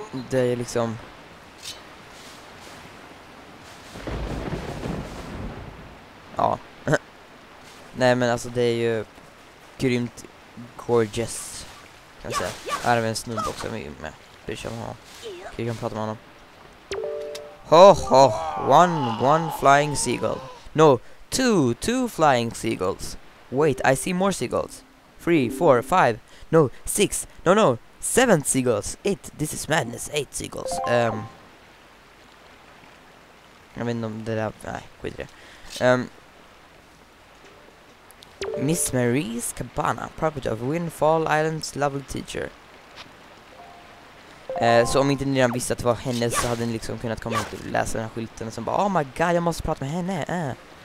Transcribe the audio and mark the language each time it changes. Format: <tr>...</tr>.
<sv>Det är liksom... ja. Nej, men alltså det är ju grymt gorgeous, kan jag säga. Här är vi en snubb också med. Vi kan prata med honom.</sv> <en>Ho ho, one flying seagull. No, two flying seagulls. Wait, I see more seagulls. 3, 4, 5. No, 6. No, 7 seagulls. 8, this is madness. 8 seagulls.</en> <sv>Jag vet inte om det där, nej, skit i det.</sv> <en>Miss Marie's Cabana, property of Windfall Island's lovely teacher.</en> <sv>Så om inte ni redan visste att det var henne så hade ni liksom kunnat komma hit och läsa den här skylten som bara,</sv> <en>oh my god,</en> <sv>jag måste prata med henne.</sv>